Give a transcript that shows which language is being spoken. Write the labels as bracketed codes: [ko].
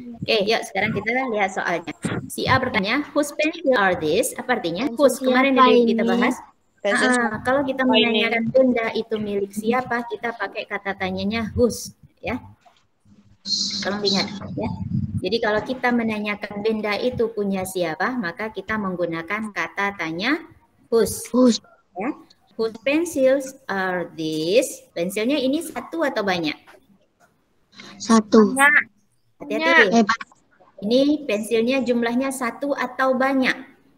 [id] Oke, yuk sekarang kita lihat soalnya. Si A bertanya, [en] whose pencil are this? [id] Apa artinya? Whose? Kemarin dari kita bahas. Kalau kita menanyakan benda itu milik siapa, kita pakai kata tanyanya whose, ya. Tolong ingat, ya. Jadi kalau kita menanyakan benda itu punya siapa, maka kita menggunakan kata tanya whose. [en] Whose, [id] ya. [en] Whose pencils are these? [id] Pensilnya ini satu atau banyak? Satu. Hati-hati. Ini pensilnya jumlahnya satu atau banyak?